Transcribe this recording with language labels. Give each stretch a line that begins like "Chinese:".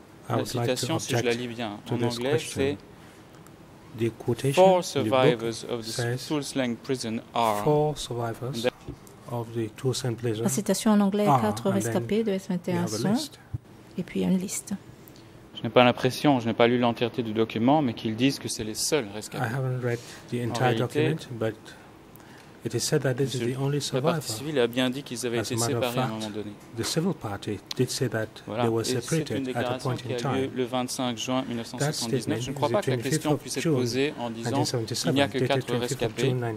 French: La citation, si je la lis bien en anglais, c'est
English: Four survivors of the Tuol Sweng prison are. Four survivors of the Tuol Sweng prison.
French: La citation en anglais, quatre rescapés de S21 sont. Et puis une liste. Je n'ai pas l'impression, je n'ai pas lu l'entièreté du document, mais qu'ils disent que c'est les seuls rescapés.
English: I haven't read the entire document, but it is said that this is the only survivor.
French: La partie civile a bien dit qu'ils avaient été séparés à un moment donné.
English: The civil party did say that they were separated at a point in time.
French: Le 25 juin 1979. Je ne crois pas que la question puisse être posée en disant qu'il n'y a que quatre rescapés.